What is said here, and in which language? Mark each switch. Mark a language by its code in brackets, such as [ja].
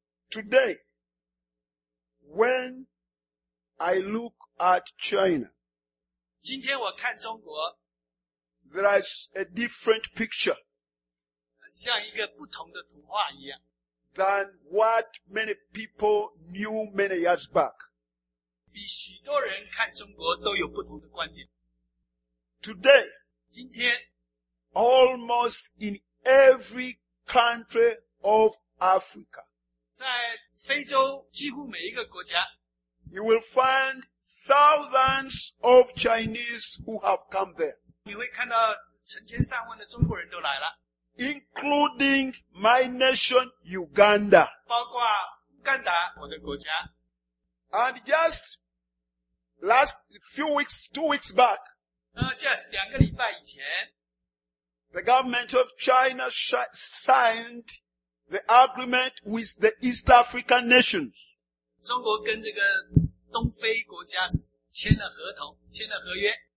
[en] Today, when I look at China, [zh] 今天我看中国, [en] there is a different picture [zh] 像一个不同的图画一样, [en] than what many people knew many years back. [zh] 比许多人看中国都有不同的观点. [en] Today, [zh] 今天, [en] almost in every country of Africa, [zh] 在非洲几乎每一个国家, [en] you will find thousands of Chinese who have come there. [zh] 你会看到成千上万的中国人都来了, [en] including my nation, Uganda. [zh] 包括乌干达我的国家. [en] And just last few weeks, 2 weeks back, [zh] just 两个礼拜以前, [en] the government of China signed the agreement with the East African nations. [zh] 中国跟这个东非国家签了合同，签了合约,